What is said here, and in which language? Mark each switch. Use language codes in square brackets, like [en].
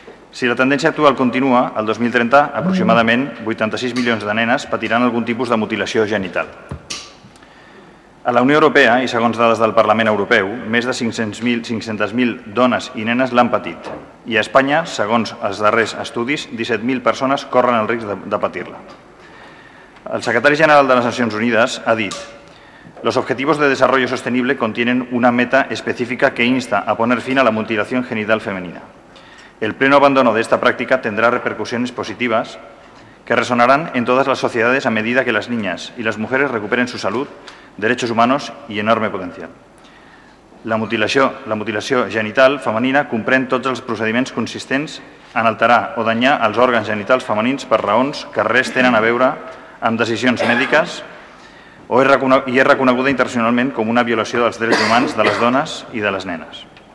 [ca] Si la tendència actual continua, el 2030, aproximadament 86 milions de nenes patiran algun tipus de mutilació genital. A la Unió Europea, i segons dades del Parlament Europeu, més de 500.000 dones i nenes l'han patit. I a Espanya, segons els darrers estudis, 17.000 persones corren el risc de patir-la. El secretari general de les Nacions Unides ha dit: [es] «Los objetivos de desarrollo sostenible contienen una meta específica que insta a poner fin a la mutilación genital femenina. El pleno abandono de esta práctica tendrá repercusiones positivas que resonarán en todas las sociedades a medida que las niñas y las mujeres recuperen su salud, derechos humanos y enorme potencial». [ca] La mutilació genital femenina comprèn tots els procediments consistents en alterar o danyar els òrgans genitals femenins per raons que res tenen a veure amb decisions mèdiques i és reconeguda internacionalment com una violació dels drets humans de les dones i de les nenes.